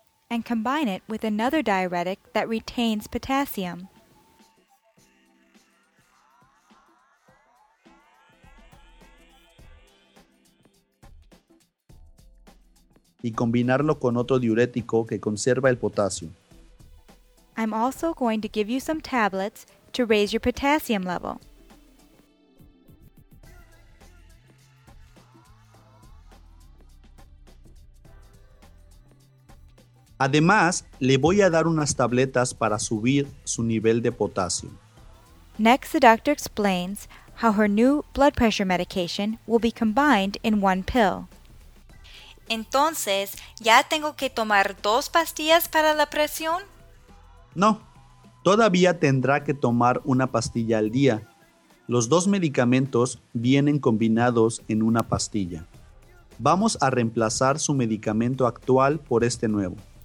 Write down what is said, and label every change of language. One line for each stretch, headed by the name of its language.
English: And combine it with another diuretic that retains potassium.
Spanish: Y combinarlo con otro diurético que conserva el potasio.
English: I'm also going to give you some tablets to raise your potassium level.
Spanish: Además, le voy a dar unas tabletas para subir su nivel de potasio.
English: Next, the doctor explains how her new blood pressure medication will be combined in one pill.
Spanish: Entonces, ¿ya tengo que tomar dos pastillas para la presión? No, todavía tendrá que tomar una pastilla al día. Los dos medicamentos vienen combinados en una pastilla. Vamos a reemplazar su medicamento actual por este nuevo.